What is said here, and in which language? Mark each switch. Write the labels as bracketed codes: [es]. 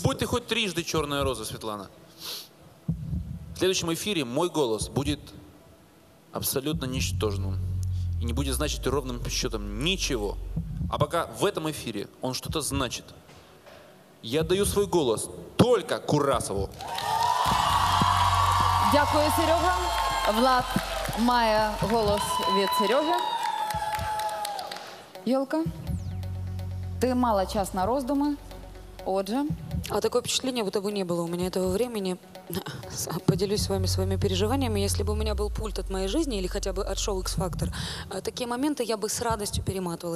[uk] І будьте хоч трижди чорною розою, Світлана. [ru] В следующем [uk] ефірі мій голос буде абсолютно нічтожним. І не буде значити [ru] ровним счетом [uk] нічого. [ru] А пока в этом эфире он что-то значит, я даю свой голос только Курасову. [uk] Дякую, Серега. Влад має голос від Сереги. Ёлка, ты мала час на роздуми, отже. [ru] А такое впечатление, будто бы не было у меня этого времени. Поделюсь с вами своими переживаниями. Если бы у меня был пульт от моей жизни или хотя бы от шоу X-Factor, такие моменты я бы с радостью перематывала.